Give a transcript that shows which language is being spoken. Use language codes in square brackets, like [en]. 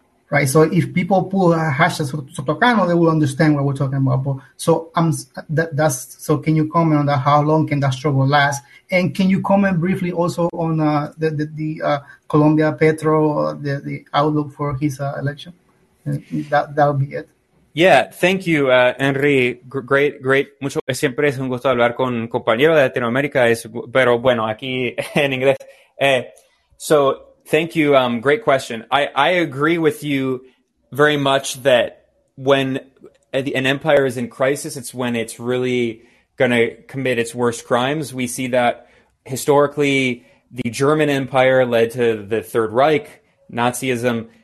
[en] Right, so if people pull a hashtag Sotocano, they will understand what we're talking about. But so so can you comment on that? How long can that struggle last? And can you comment briefly also on the Colombia Petro, the outlook for his election? That'll be it. Yeah, thank you, Henry. Great, great. [es] Mucho siempre es un gusto hablar con compañero de Latinoamérica. [en] Pero bueno, aquí en inglés. Thank you. Great question. I agree with you very much that when an empire is in crisis, it's when it's really going to commit its worst crimes. We see that historically, the German Empire led to the Third Reich, Nazism.